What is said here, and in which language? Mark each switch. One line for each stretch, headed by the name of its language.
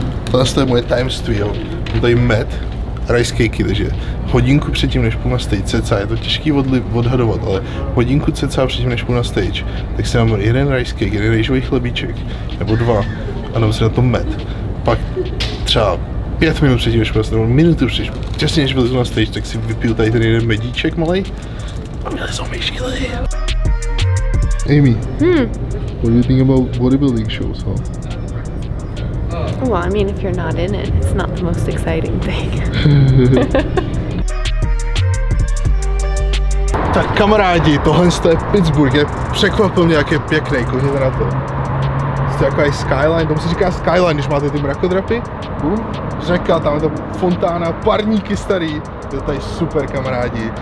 Czech: Tohle je moje tajemství, jo. Mám tady med, rice cakey, takže hodinku předtím, než půjdu na stage, cca, je to těžký odhadovat, ale hodinku cca předtím, než půjdu na stage, tak si mám jeden rice cake, jeden rýžový chlebíček, nebo dva, a dám si na to med. Pak třeba 5 minut předtím, než půjdu na stage, nebo minutu předtím, přesně než vylezu na stage, tak si vypiju tady ten jeden medíček malej a měli jsou myšky.
English: Amy, What do you think about bodybuilding shows, huh? Well, I mean, if you're not in it, it's not the most exciting thing.
Czech: Tak kamarádi, tohle je Pittsburgh, je překvapil mě, jak je pěkný, koukněte na to. Jste jako i skyline, tomu se říká skyline, když máte ty mrakodrapy. Řeka, tam je to fontána, parníky starý, je to tady super, kamarádi.